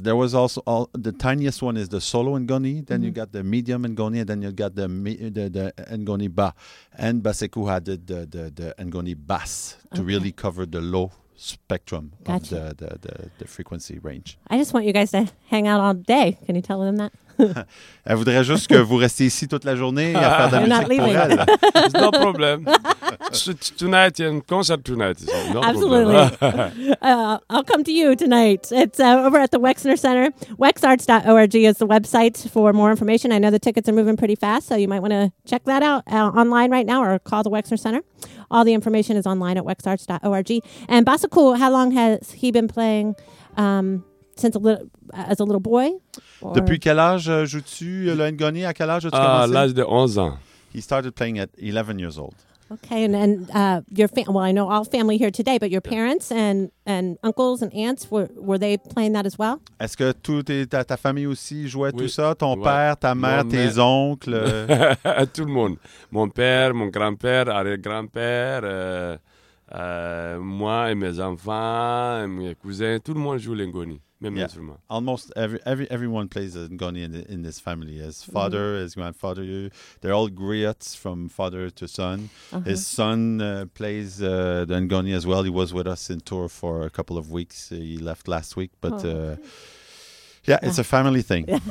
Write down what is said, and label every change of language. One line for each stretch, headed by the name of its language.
English: There was also the tiniest one is the solo ngoni. Then mm-hmm. you got the medium ngoni, and then you got the ngoni ba. And Basekou had the ngoni bass to okay. really cover the low spectrum gotcha. Of the frequency range. I just want you guys to hang out all day. Can you tell them that?
French: Elle voudrait juste que vous restiez ici toute la journée et à faire de la musique pour elle.
English: No problem. Tonight,
French: il y a un concert
English: tonight. So absolutely. I'll come to you tonight. It's over at the Wexner Center. Wexarts.org is the website for more information. I know the tickets are moving pretty fast, so you might want to check that out online right now or call the Wexner Center. All the information is online at wexarts.org. And Basekou, how long has he been playing as a little boy?
French: Depuis quel âge joues-tu le ngoni? À quel âge as-tu commencé? À l'âge de 11 ans.
English: He started playing at 11 years old. Okay, and your I know all family here today, but your parents and uncles and aunts, were they playing that as well?
French: Est-ce que toute ta famille aussi jouait oui. tout ça? Ton ouais. père, ta mère, mon tes oncles? Tout le monde. Mon père, mon grand-père, arrière-grand-père, moi et mes enfants, et mes cousins, tout le monde joue le ngoni.
English: Yeah, almost everyone plays a ngoni in this family. His father, mm-hmm. his grandfather, they're all griots from father to son. Uh-huh. His son plays the ngoni as well. He was with us in tour for a couple of weeks. He left last week, but it's a family thing.